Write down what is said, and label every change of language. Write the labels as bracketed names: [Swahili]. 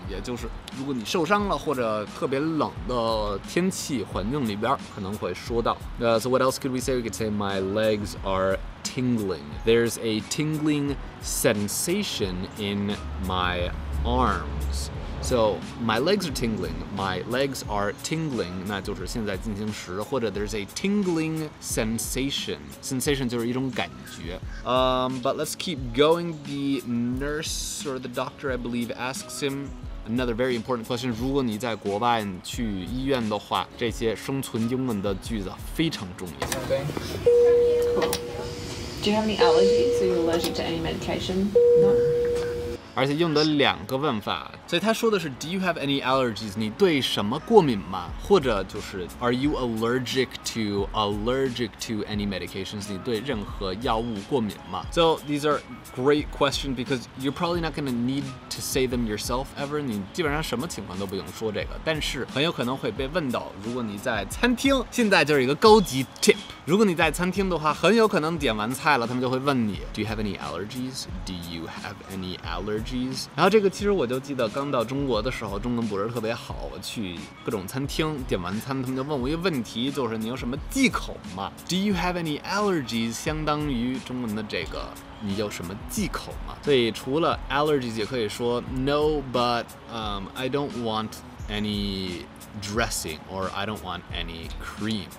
[Chinese] 也就是如果你受伤了或者特别冷的天气环境里边可能会说到。 [English] So what else could we say? We could say my legs are tingling. There's a tingling sensation in my arms. So, my legs are tingling. My legs are tingling. [Chinese] 那就是现在进行时，或者 [English] there's a tingling sensation. Sensation [Chinese] 就是一种感觉。 [English] But let's keep going. The nurse or the doctor, I believe, asks him another very important question. [Chinese] 如果你在国外去医院的话，这些生存英文的句子非常重要。 [English] Okay. Cool. Do you have any allergies? Are you allergic to any medication? No. [Chinese] 而且用的两个问法，所以他说的是 [English] Do you have any allergies? [Chinese] 你对什么过敏吗？或者就是 [English] Are you allergic to any medications? [Chinese] 你对任何药物过敏吗？ [English] So these are great questions because you're probably not going to need to say them yourself ever. [Chinese] 你基本上什么情况都不用说这个，但是很有可能会被问到。如果你在餐厅，现在就是一个高级 tip。如果你在餐厅的话，很有可能点完菜了，他们就会问你 [English] Do you have any allergies? Do you have any allergies? [Chinese] 然后这个其实我就记得刚到中国的时候，中文不是特别好，我去各种餐厅点完餐，他们就问我一个问题，就是你有什么忌口吗？ [English] Do you have any allergies? [Chinese] 相当于中文的这个你有什么忌口吗？所以除了 [English] allergies [Chinese] 也可以说 [English] No, but I don't want any dressing or I don't want any cream.